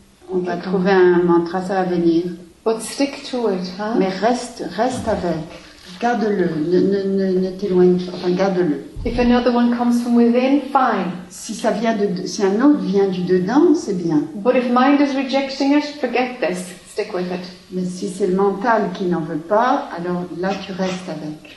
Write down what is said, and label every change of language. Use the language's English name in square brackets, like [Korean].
[French] On va trouver un mantra, ça va venir. [English] But stick to it, huh? [French] Mais reste avec. Garde-le. Ne t'éloigne pas. Enfin, garde-le. [English] If another one comes from within, fine. [French] Si ça vient de, si un autre vient du dedans, c'est bien. [English] But if mind is rejecting it, forget this. Stick with it. [French] Mais si c'est le mental qui n'en veut pas, alors là tu restes avec.